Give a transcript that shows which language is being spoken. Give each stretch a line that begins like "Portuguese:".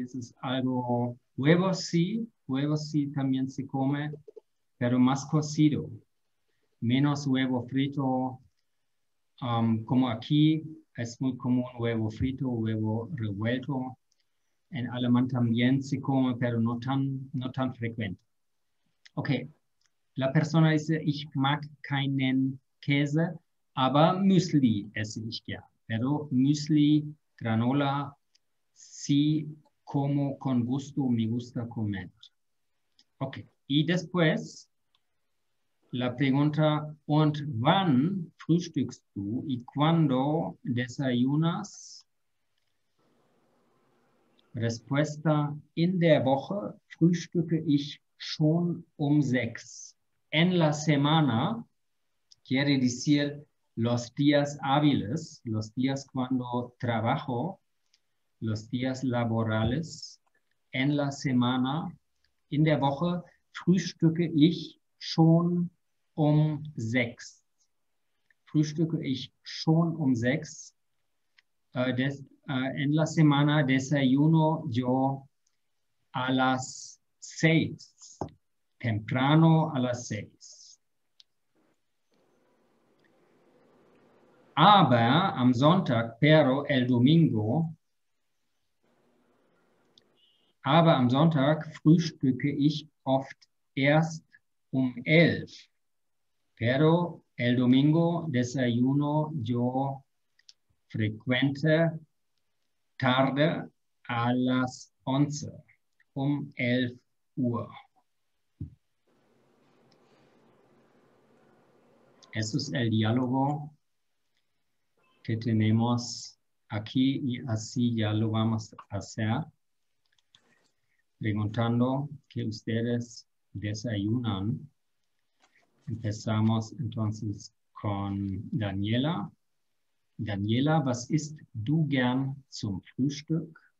Spanish: Eso es algo, huevos sí también se come, pero más cocido. Menos huevo frito, Como aquí es muy común huevo frito, huevo revuelto. En alemán también se come, pero no tan frecuente. Ok. La persona dice,
German: ich mag keinen Käse, aber Müsli esse ich gern.
Spanish: Pero Müsli, Granola, sí como con gusto, me gusta comer. Ok. Y después, la pregunta,
German: ¿und wann frühstückst du
Spanish: y cuándo desayunas?
German: Respuesta, in der Woche frühstücke ich schon um 6.
Spanish: En la semana, quiere decir los días hábiles, los días cuando trabajo, los días laborales. En la semana,
German: in der Woche frühstücke ich schon um 6. Frühstücke ich schon um 6.
Spanish: En la semana desayuno yo a las 6. Temprano a las 6.
German: Aber am Sonntag,
Spanish: pero el domingo,
German: aber am Sonntag frühstücke ich oft erst um 11.
Spanish: Pero el domingo desayuno yo frecuente tarde a las 11,
German: um 11 Uhr.
Spanish: Eso es el diálogo que tenemos aquí y así ya lo vamos a hacer. Preguntando que ustedes desayunan. Empezamos entonces con Daniela.
German: Daniela, was isst du gern zum Frühstück?